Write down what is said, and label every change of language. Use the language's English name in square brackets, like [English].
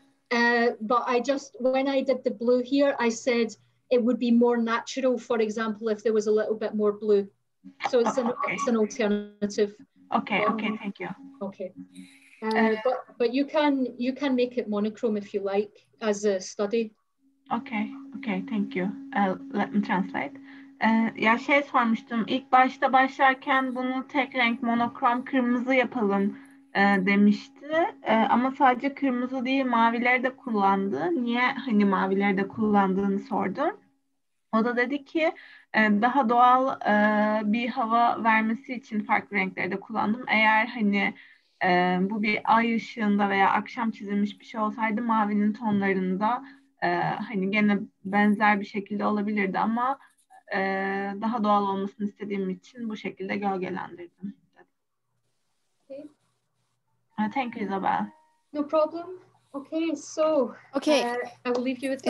[English] But I just, when I did the blue here, I said it would be more natural, for example, if there was a little bit more blue. So it's it's an alternative. Okay, thank you. Okay. But you can make it monochrome if you like as a study. Okay, thank you. Let me translate. [Turkish] Ya şey sormuştum, ilk başta başlarken bunu tek renk monokrom kırmızı yapalım demişti. Ama sadece kırmızı değil, mavileri de kullandı. Niye hani mavileri de kullandığını sordum. O da dedi ki daha doğal bir hava vermesi için farklı renkleri de kullandım. Eğer hani bu bir ay ışığında veya akşam çizilmiş bir şey olsaydı mavinin tonlarında hani gene benzer bir şekilde olabilirdi ama daha doğal olmasını istediğim için bu şekilde gölgelendirdim. [English] Thank you, Isabel. No problem. Okay, so I will leave you with that.